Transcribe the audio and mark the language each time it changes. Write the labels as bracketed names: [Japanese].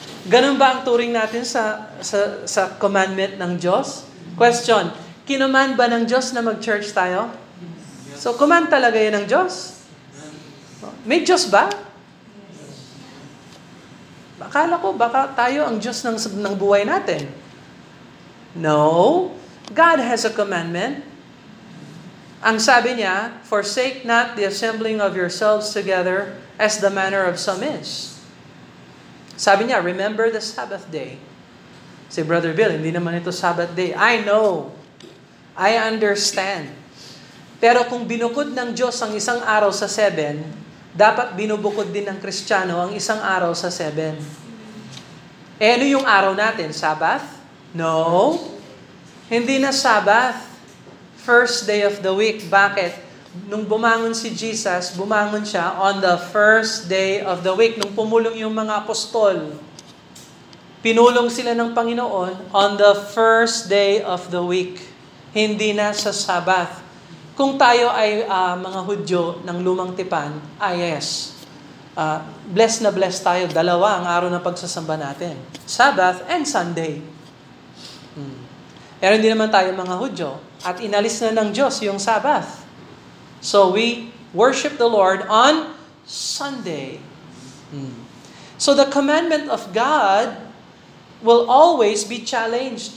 [Filipino] Ganun ba ang turing natin sa commandment ng Diyos? Question, kinuman ba ng Diyos na mag-church tayo? So, command talaga yan ng Diyos? May Diyos ba? Akala ko, baka tayo ang Diyos ng buhay natin. [English] No, God has a commandment. [Filipino] Ang sabi niya, [English] forsake not the assembling of yourselves together as the manner of some is. [Filipino] Sabi niya, [English] remember the Sabbath day. Say, Brother Bill, [Filipino] hindi naman ito [English] Sabbath day. I know. I understand. [Filipino] Pero kung binukod ng Diyos ang isang araw sa 7, dapat binubukod din ng Kristiyano ang isang araw sa 7. Eh, ano yung araw natin? Sabbath? No. Hindi na Sabbath. [English] First day of the week. [Filipino] Bakit? nung bumangon si Jesus, bumangon siya [English] on the first day of the week. [Filipino] Nung pumulong yung mga apostol, pinulong sila ng Panginoon [English] on the first day of the week. [Filipino] Hindi na sa Sabbath. Kung tayo ay mga Hudyo ng lumang tipan, ay yes. Blessed na blessed tayo. Dalawa ang araw ng pagsasamba natin. Sabbath and Sunday. Pero hindi naman tayo mga Hudyo. At inalis na ng Diyos yung Sabbath. [English] So we worship the Lord on Sunday. So the commandment of God will always be challenged.